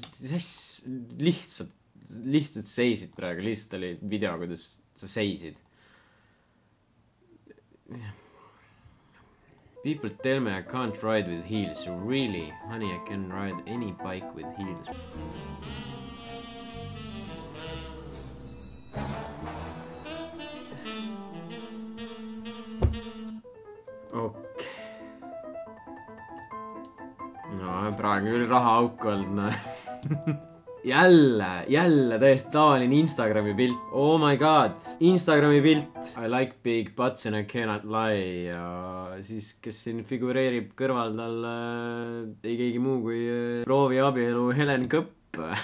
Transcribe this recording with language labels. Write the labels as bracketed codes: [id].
[et] Lihtsalt seisid praegu. Lihtsalt oli video, kuidas sa seisid. [en] People tell me I can't ride with heels. Really? Honey, I can ride any bike with heels. [et] Okei. No, praegu küll raha auk olnud, no. Jälle täiesti tavaline Instagrami pilt. [en] Oh my god, [et] Instagrami pilt. [en] I like big butts and I cannot lie. [et] Ja siis, kes siin figureerib kõrval tal, ei keegi muu kui proovi abielu Helen Kõpp.